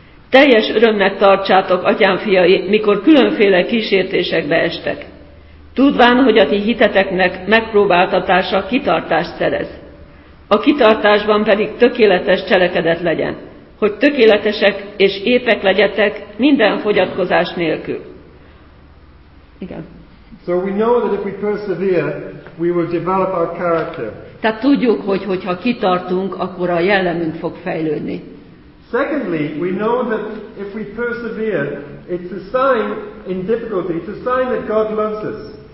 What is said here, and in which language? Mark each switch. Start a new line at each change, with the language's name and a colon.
Hungarian: Teljes örömnek tartsátok, atyám fiai, mikor különféle kísértésekbe estek. Tudván, hogy a ti hiteteknek megpróbáltatása kitartást szerez. A kitartásban pedig tökéletes cselekedet legyen, hogy tökéletesek és épek legyetek minden fogyatkozás nélkül. Igen.
English: So we know that if we persevere, we will develop our character.
Hungarian: Tehát tudjuk, hogyha kitartunk, akkor a jellemünk fog fejlődni.
English: Secondly, we know that if we persevere, it's a sign in difficulty, it's a sign that God loves us.